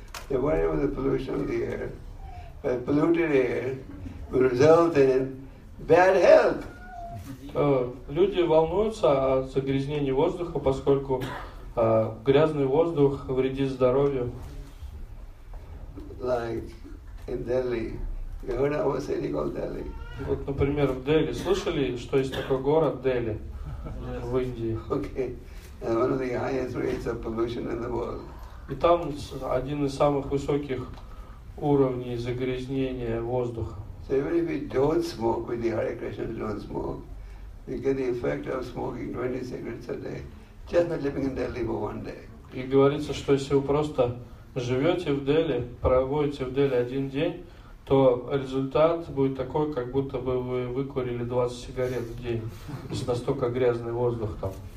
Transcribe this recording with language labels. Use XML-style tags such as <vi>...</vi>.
<en>The worry of the pollution of the air, but polluted air will result in bad health.</en> <ru>Люди волнуются о загрязнении воздуха, поскольку грязный воздух вредит здоровью.</ru> <en>Like in Delhi, you heard of a city called Delhi?</en> <ru>Вот, например, в Дели. Слышали, что есть такой город Дели? В Индии.</ru> <en>Okay. And one of the highest rates of pollution in the world.</en> <ru>И там один из самых высоких уровней загрязнения воздуха.</ru> <en>So even if we don't smoke, with the Hare Krishna don't smoke, we get the effect of smoking 20 cigarettes a day, just by living in Delhi for one day.</en> <ru>И говорится, что если вы просто живете в Дели, проводите в Дели один день, то результат будет такой, как будто бы вы выкурили 20 сигарет в день, настолько грязный воздух там.</ru>